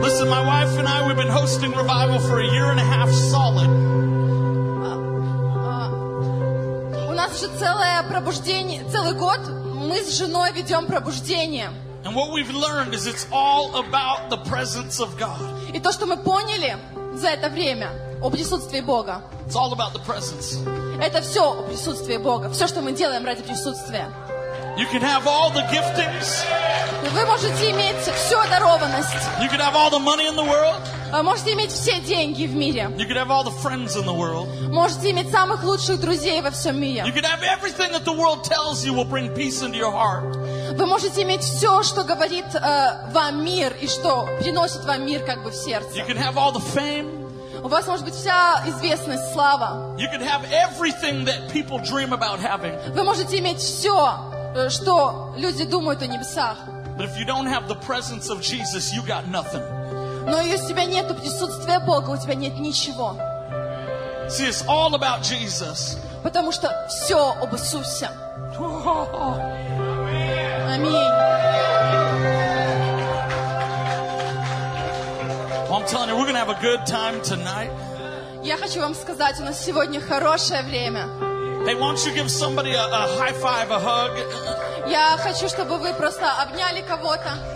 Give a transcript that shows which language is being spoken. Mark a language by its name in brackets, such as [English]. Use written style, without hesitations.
[English] Listen, my wife and I, we've been hosting revival for a year and a half solid. [Russian] У нас уже целое пробуждение, целый год мы с женой ведем пробуждение. [English] And what we've learned is it's all about the presence of God. [Russian] И то, что мы поняли за это время о присутствии Бога. [English] It's all about the presence. [Russian] Это все о присутствии Бога, все, что мы делаем ради присутствия. [English] You can have all the giftings. [Russian] Вы можете иметь всю одарованность. [English] You can have all the money in the world. [Russian] Вы можете иметь все деньги в мире. [English] You can have all the friends in the world. [Russian] Можете иметь самых лучших друзей во всем мире. [English] You can have everything that the world tells you will bring peace into your heart. [Russian] Вы можете иметь все, что говорит вам мир и что приносит вам мир как бы в сердце. [English] You can have all the fame. [Russian] У вас может быть вся известность, слава. [English] You can have everything that people dream about having. [Russian] Вы можете иметь все, что люди думают о небесах. [English] But if you don't have the presence of Jesus, you got nothing. [Russian] Но если у тебя нет присутствия Бога, у тебя нет ничего. [English] See, it's all about Jesus. [Russian] Потому что все об Иисусе. Аминь. [English] Well, I'm telling you, we're going to have a good time tonight. [Russian] Я хочу вам сказать, у нас сегодня хорошее время. [English] Hey, won't you give somebody a high five, a hug? [Russian] Я хочу, чтобы вы просто обняли кого-то.